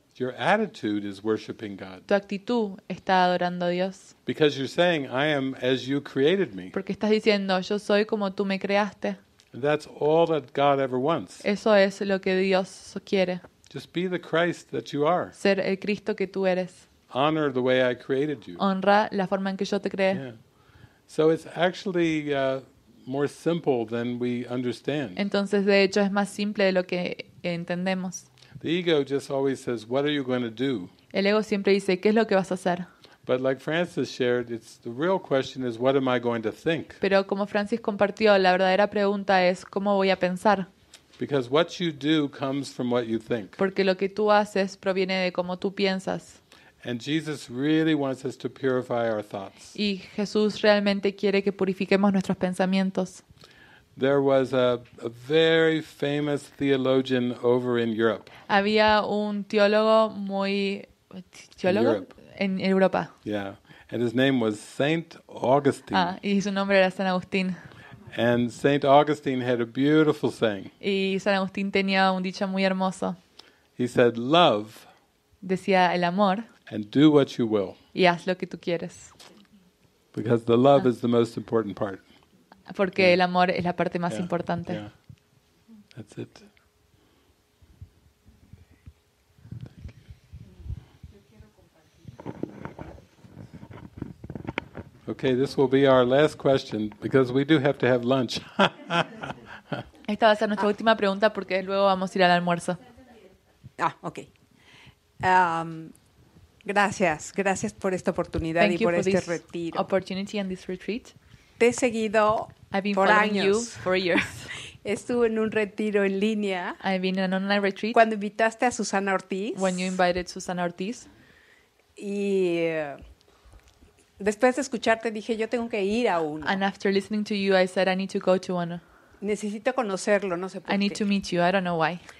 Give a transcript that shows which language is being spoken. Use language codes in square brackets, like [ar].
[en] Your attitude is worshiping God. [es] Tu actitud está adorando a Dios. [en] Because you're saying, I am as you created me. [es] Porque estás diciendo, yo soy como tú me creaste. [en] And that's all that God ever wants. [es] Eso es lo que Dios quiere. [en] Just be the Christ that you are. [es] Ser el Cristo que tú eres. [en] Honor the way I created you. [es] Honra la forma en que yo te creé. [en] So it's actually more simple than we understand. [es] Entonces, de hecho, es más simple de lo que entendemos. [en] The ego just always says, "What are you going to do?" [es] El ego siempre dice, ¿qué es lo que vas a hacer? [en] But like Francis shared, it's the real question is, "What am I going to think?" [es] Pero como Francis compartió, la verdadera pregunta es, ¿cómo voy a pensar? [en] Because what you do comes from what you think. [es] Porque lo que tú haces proviene de cómo tú piensas. [en] And Jesus really wants us to purify our thoughts. [es] Y Jesús realmente quiere que purifiquemos nuestros pensamientos. [en] There was a very famous theologian over in Europe. [es] Había un teólogo muy teólogo en Europa. [en] Yeah. And his name was Saint Augustine. [es] Ah, y su nombre era San Agustín. [en] And Saint Augustine had a beautiful saying. [es] Y San Agustín tenía un dicho muy hermoso. [en] He said, "Love." [es] Decía el amor. [en] And do what you will. [es] Y haz lo que tú quieres. [en] Because the love is the most important part. [es] Porque el amor es la parte más importante. [en] Yeah. That's it. Okay, this will be our last question because we do have to have lunch. [es] Esta va a ser nuestra última pregunta porque luego vamos a ir al almuerzo. [en] Ah, okay. [es] Gracias, gracias por esta oportunidad [en] Thank [es] y por este retiro. [en] Opportunity and this retreat. [es] Te he seguido [en] I've been [es] por [en] following [es] años. [en] You for years. [es] Estuve en un retiro en línea. [en] I've been in an online retreat. [es] Cuando invitaste a Susana Ortiz. [en] When you invited Susana Ortiz. [es] Y después de escucharte dije, yo tengo que ir a uno. [en] And after listening to you, I said, I need to go to one. [es] Necesito conocerlo, no sé por qué. [en] I need to meet you, I don't know why.